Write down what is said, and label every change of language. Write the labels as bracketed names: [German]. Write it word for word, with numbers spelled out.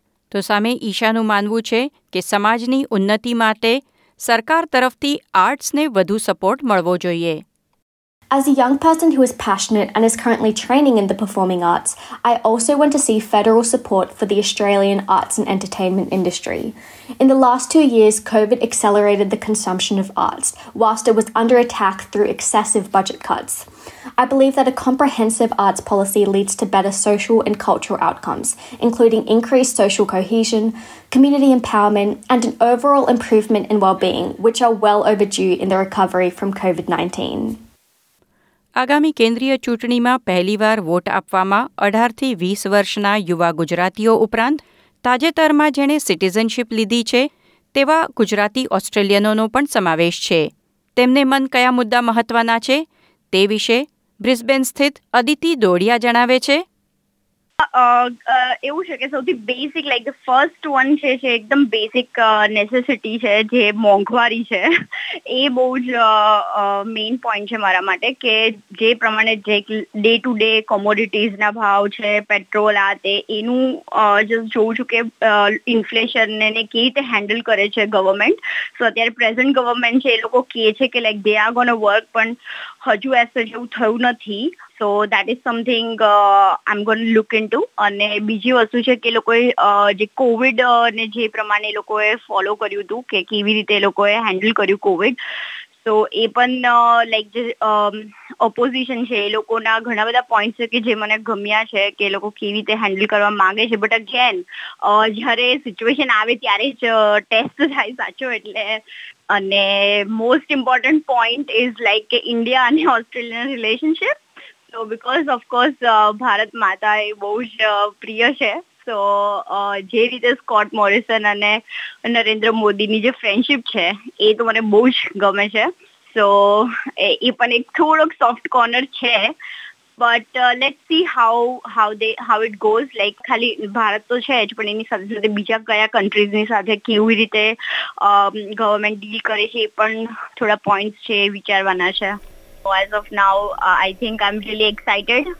[Gujarati] તો સામે ઈશાનું માનવું છે કે સમાજની ઉન્નતિ માટે સરકાર તરફથી આર્ટ્સને વધુ સપોર્ટ મળવો જોઈએ. [English] As a young person who is passionate and is currently training in the performing arts, I also want to see federal support for the Australian arts and entertainment industry. In the last two years, COVID accelerated the consumption of arts, whilst it was under attack through excessive budget cuts. I believe that a comprehensive arts policy leads to better social and cultural outcomes, including increased social cohesion, community empowerment, and an overall improvement in well-being, which are well overdue in the recovery from covid nineteen. [Gujarati] આગામી કેન્દ્રીય ચૂંટણીમાં પહેલીવાર vote આપવામાં અઢારથી વીસ વર્ષના યુવા ગુજરાતીઓ ઉપરાંત તાજેતરમાં જેણે સિટીઝનશીપ લીધી છે તેવા ગુજરાતી ઓસ્ટ્રેલિયનોનો પણ સમાવેશ છે. તેમને મન કયા મુદ્દા મહત્વના છે તે વિશે બ્રિસ્બેન સ્થિત અદિતિ દોડિયા જણાવે છે. એવું છે કે સૌથી basic [English] like the first one [Gujarati] છે જે એકદમ બેઝિક નેસેસિટી છે જે મોંઘવારી છે એ બહુ જ મેઇન પોઈન્ટ છે મારા માટે કે જે પ્રમાણે જે ડે ટુ ડે કોમોડિટીઝના ભાવ છે પેટ્રોલ આ તે એનું જસ્ટ જોઉં છું કે ઇન્ફ્લેશનને કેવી રીતે હેન્ડલ કરે છે ગવર્મેન્ટ. સો અત્યારે પ્રેઝન્ટ ગવર્મેન્ટ છે એ લોકો કહે છે કે [English] like they are gonna work [Gujarati] પણ હજુ એસ એવું થયું નથી. [English] So that is something uh, I'm going to look into. [Gujarati] અને બીજી વસ્તુ છે કે લોકોએ જે કોવિડ ને જે પ્રમાણે લોકોએ ફોલો કર્યું હતું કે કેવી રીતે લોકોએ હેન્ડલ કર્યું કોવિડ, સો એ પણ લાઈક જે ઓપોઝિશન છે એ લોકોના ઘણા બધા પોઈન્ટ છે કે જે મને ગમ્યા છે કે લોકો કેવી રીતે હેન્ડલ કરવા માંગે છે. [English] but again [Gujarati] જ્યારે સિચ્યુએશન આવે ત્યારે જ ટેસ્ટ થાય સાચો એટલે. અને [English] most important point is like [Gujarati] કે ઇન્ડિયા અને ઓસ્ટ્રેલિયાના relationship. [English] So because of course uh, Bharat Mata is very uh, [Hindi] priya hai. [Gujarati] So uh, જે રીતે Scott Morrison અને નરેન્દ્ર મોદીની જે ફ્રેન્ડશીપ છે એ તો મને બહુ જ ગમે છે. સો એ પણ એક થોડોક સોફ્ટ કોર્નર છે [English] but let see how how they how it goes like [Gujarati] ખાલી ભારત તો છે જ પણ એની સાથે સાથે બીજા કયા કન્ટ્રીઝની સાથે કેવી રીતે ગવર્મેન્ટ ડીલ કરે છે એ પણ થોડા પોઈન્ટ્સ છે વિચારવાના છે. [English] So as of now, uh, I think I'm really excited.